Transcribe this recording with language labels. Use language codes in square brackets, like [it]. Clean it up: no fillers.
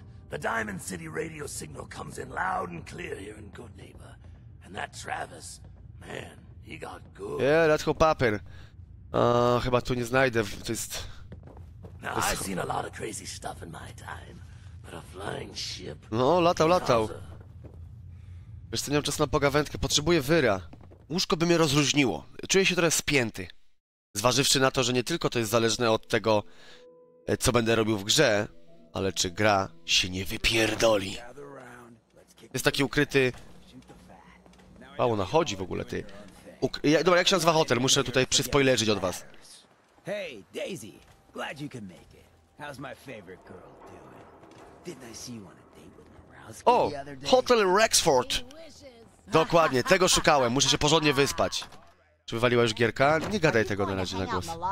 [en] The Diamond City radio signal comes in loud and clear here in Good Neighbor. And that Travis, man, he got good. Yeah, that's how papier. [pl] Chyba tu nie znajdę, to jest... [en] Now, I've seen a lot of crazy stuff in my time, but a flying ship... [pl] No, latał. Wiesz co, nie mam czasu na pogawędkę, potrzebuję wyra. Łóżko by mnie rozluźniło. Czuję się trochę spięty. Zważywszy na to, że nie tylko to jest zależne od tego, co będę robił w grze, ale czy gra się nie wypierdoli. Jest taki ukryty... Wow, ona chodzi w ogóle, ty. Dobra, jak się nazywa hotel? Muszę tutaj przyspoilerzyć od was. [en] Hey, Daisy. Glad you can make it. How's my favorite girl doing? Didn't I see you on a date with Morowski the other day? [pl] O, Hotel Rexford. Dokładnie, tego szukałem. Muszę się porządnie wyspać. Czy wywaliła już gierka? Nie gadaj tego na razie na głos.